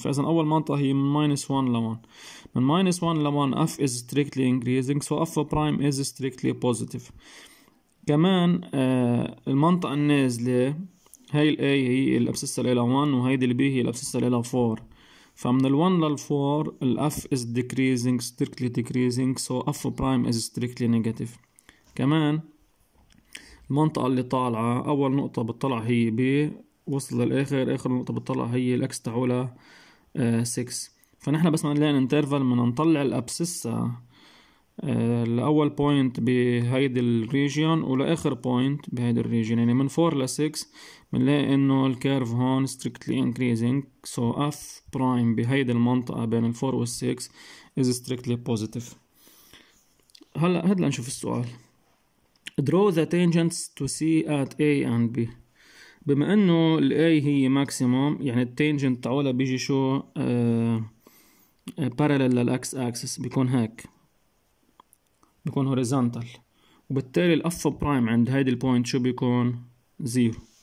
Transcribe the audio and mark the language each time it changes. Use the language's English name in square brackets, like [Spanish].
[Arabic] فاذا اول منطقه هي من [English] Minus 1 ل 1، من minus 1 ل 1 f is strictly increasing, so f prime is strictly positive. [Arabic] كمان المنطقه النازله هي الاي هي الابسيس اللي لها 1 وهيدي البي هي الابسيس اللي لها 4. فمن ال 1 لل 4 ال [English] f is decreasing strictly decreasing so f prime is strictly negative. [Arabic] كمان المنطقة اللي طالعة أول نقطة بتطلع هي b وصل للآخر، آخر نقطة بتطلع هي ال x تعولها 6. فنحن بس ما نلاقي الانترفال من نطلع الأبسسة لأول بوينت بهيدي الريجيون ولآخر بوينت بهيدي الريجيون، يعني من 4 ل 6 بنلاقي إنه الكيرف هون [English] strictly increasing so f prime [Arabic] بهيدي المنطقة بين ال 4 وال 6 [English] is strictly positive. [Arabic] هلا هات لنشوف السؤال. [English] draw the tangents to C at A and B. [Arabic] بما إنه ال A هي maximum يعني التانجنت تعولها بيجي شو parallel لل x axis، بيكون هيك بيكون هوريزونتال، وبالتالي الاف برايم عند هيدي البوينت شو بيكون؟ زيرو.